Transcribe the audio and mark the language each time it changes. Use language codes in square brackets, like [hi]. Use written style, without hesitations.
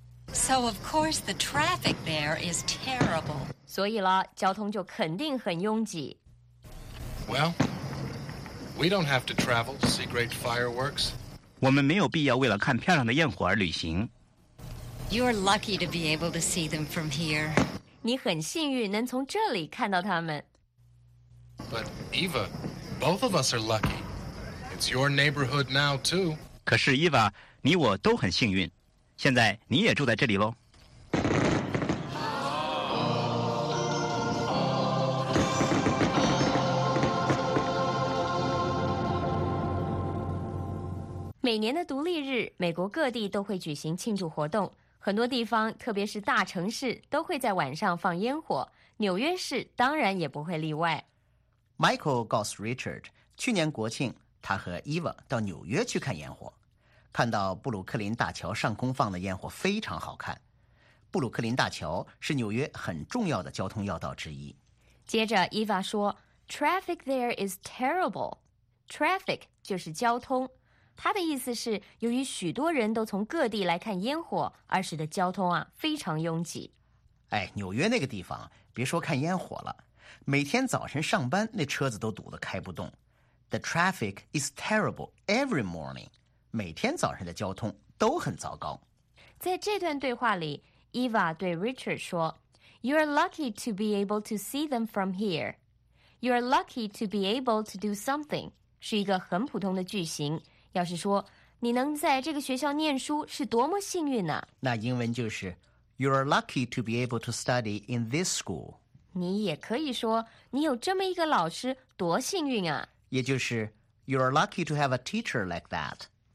[en] So of course the traffic there is terrible. [zh] 所以了，交通就肯定很拥挤。 [en] Well, we don't have to travel to see great fireworks. [zh] 我们没有必要为了看漂亮的焰火而旅行。 [en] You're lucky to be able to see them from here. [zh] 你很幸运能从这里看到它们。 [en] But Eva, both of us are lucky. It's your neighborhood now too. [zh] 可是伊娃，你我都很幸运。现在你也住在这里喽。每年的独立日，美国各地都会举行庆祝活动，很多地方特别是大城市都会在晚上放烟火，纽约市当然也不会例外。 Michael 告诉 Richard， 去年国庆他和 Eva 到纽约去看烟火，看到布鲁克林大桥上空放的烟火非常好看。布鲁克林大桥是纽约很重要的交通要道之一。接着伊娃说 [en] Traffic there is terrible. [zh] Traffic 就是交通，它的意思是由于许多人都从各地来看烟火而使得交通啊非常拥挤。哎，纽约那个地方别说看烟火了，每天早晨上班那车子都堵得开不动。 [en] The traffic is terrible every morning. [zh] 每天早上的交通都很糟糕。在这段对话里， Eva 对 Richard 说 [en] You're lucky to be able to see them from here. You're lucky to be able to do something [zh] 是一个很普通的句型，要是说你能在这个学校念书是多么幸运呢、那英文就是 [en] You're lucky to be able to study in this school. [zh] 你也可以说你有这么一个老师多幸运啊，也就是 [en] You're lucky to have a teacher like that.